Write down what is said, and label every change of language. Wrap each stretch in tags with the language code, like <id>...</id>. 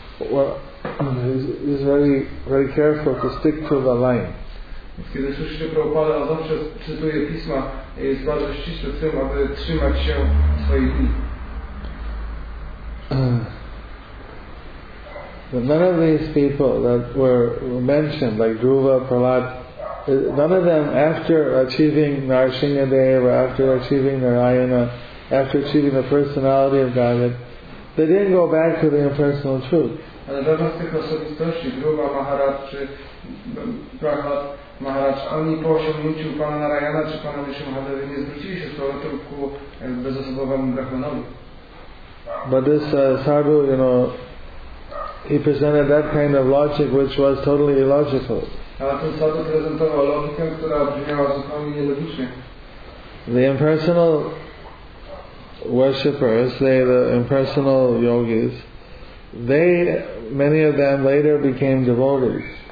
<en>Well, he's very, very careful to stick to the line.</en> <pl>Kiedy słyszycie Prabhupada, on zawsze cytuje pisma i jest bardzo ścisły w tym, aby trzymać się swojej linii.</pl> <en>None of these people that were mentioned, like Dhruva, Prahlad, none of them, after achieving Narsingadeva, after achieving Narayana, after achieving the personality of Godhead, they didn't go back to the impersonal truth.</en> <pl>Ale żadna z tych osobistości, Dhruva, Maharaj czy Prahlad Maharaj, oni po osiągnięciu Pana Narayana czy Pana Narsimhadevi nie zwrócili się z powrotem ku bezosobowemu Brahmanowi.</pl> <en>But this sadhu, you know, he presented that kind of logic which was totally illogical.</en> <pl>Ale ten sadhu prezentował logikę, która brzmiała zupełnie nielogicznie.</pl> <en>The impersonal worshippers, the impersonal yogis, they, many of them later became devotees.</en>